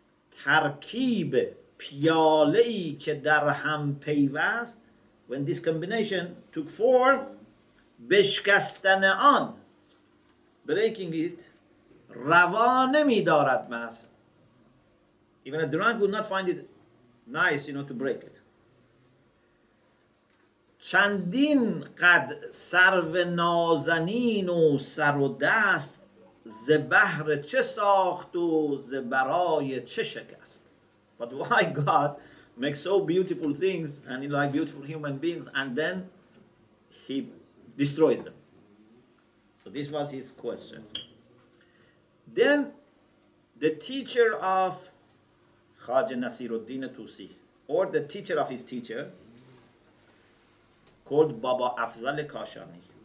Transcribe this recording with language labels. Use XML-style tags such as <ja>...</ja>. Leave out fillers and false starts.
<fa>ترکیب پیاله‌ای که در هم پیوست,</fa> <en>when this combination took form,</en> <fa>بشکستن آن,</fa> <en>breaking it,</en> <fa>روا نمی‌دارد مست.</fa> <en>Even a drunk would not find it nice, you know, to break it.</en> <fa>چندین قد سرو نازنین و سر و دست ز بحر چه ساخت و ز برای چه شکست.</fa> <en>But why God makes so beautiful things and he like beautiful human beings and then he destroys them? So this was his question. Then the teacher of Khaja Nasiruddin Tusi, or the teacher of his teacher, called Baba Afzal Kashani.</en>